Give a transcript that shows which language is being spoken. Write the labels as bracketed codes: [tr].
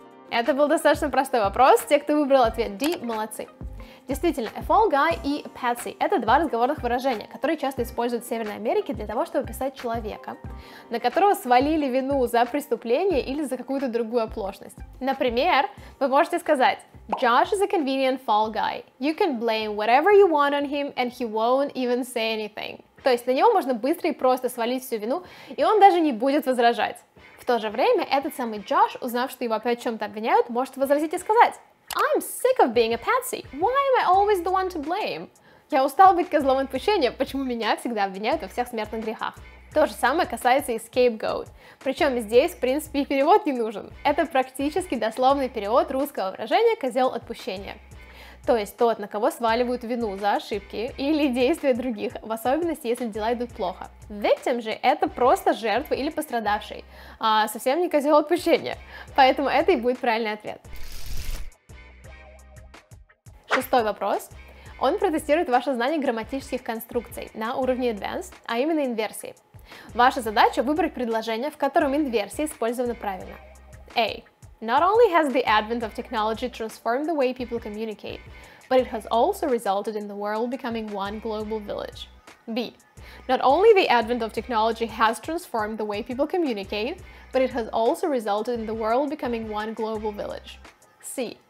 [ru] Это был достаточно простой вопрос. Те, кто выбрал ответ D, молодцы. Действительно, a fall guy и a patsy — это два разговорных выражения, которые часто используют в Северной Америке для того, чтобы описать человека, на которого свалили вину за преступление или за какую-то другую оплошность. Например, вы можете сказать: [en] Josh is a convenient fall guy. You can blame whatever you want on him, and he won't even say anything. [ru] То есть на него можно быстро и просто свалить всю вину, и он даже не будет возражать. В то же время этот самый Джош, узнав, что его опять в чем-то обвиняют, может возразить и сказать: [en] I'm sick of being a patsy. Why am I always the one to blame? [ru] Я устал быть козлом отпущения, почему меня всегда обвиняют во всех смертных грехах. То же самое касается и scapegoat. Причем здесь, в принципе, и перевод не нужен. Это практически дословный перевод русского выражения «козел отпущения». То есть тот, на кого сваливают вину за ошибки или действия других, в особенности, если дела идут плохо. Victim же — это просто жертва или пострадавший, а совсем не козел отпущения. Поэтому это и будет правильный ответ. Шестой вопрос. Он протестирует ваше знание грамматических конструкций на уровне advanced, а именно инверсии. Ваша задача — выбрать предложение, в котором инверсия использована правильно. [en] A. Not only has the advent of technology transformed the way people communicate, but it has also resulted in the world becoming one global village. B. Not only the advent of technology has transformed the way people communicate, but it has also resulted in the world becoming one global village. C.